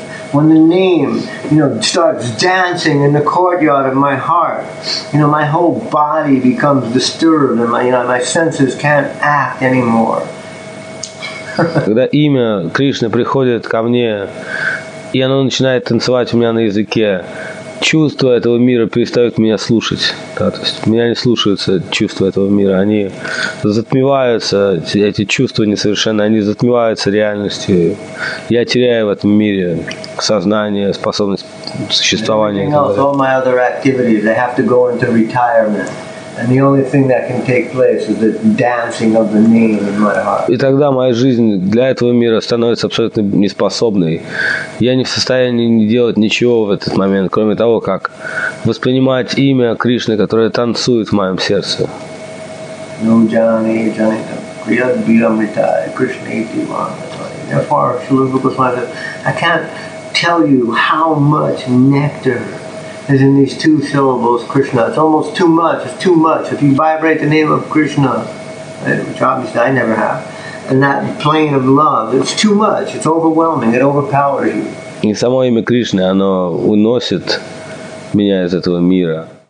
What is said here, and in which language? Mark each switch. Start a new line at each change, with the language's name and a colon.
English: When the name, you know, starts dancing in the courtyard of my heart, you know, my whole body becomes disturbed, and my senses can't act anymore.
Russian: Когда имя Кришны приходит ко мне, и оно начинает танцевать у меня на языке, чувства этого мира перестают меня слушать. Да, то есть меня не слушаются чувства этого мира. Они затмеваются, эти чувства несовершенные, они затмеваются реальностью. Я теряю в этом мире сознание, способность существования.
English: All my other activities, they have to go into retirement. And the only thing that can take place is the dancing of the name in my heart.
Russian: И тогда моя жизнь для этого мира становится абсолютно неспособной. Я не в состоянии не делать ничего в этот момент, кроме того, как воспринимать имя Кришны, которое танцует в моем сердце.
Sanskrit: No jani janita kriyat bhiramita krishna iti vana.
English: Therefore, Srila Goswami says, I can't tell you how much nectar is in these two syllables, Krishna. It's almost too much. It's too much. If you vibrate the name of Krishna, which obviously I never have, in that plane of love, it's too much. It's overwhelming. It overpowers you.
Russian: И само имя Кришны, оно уносит меня из этого мира.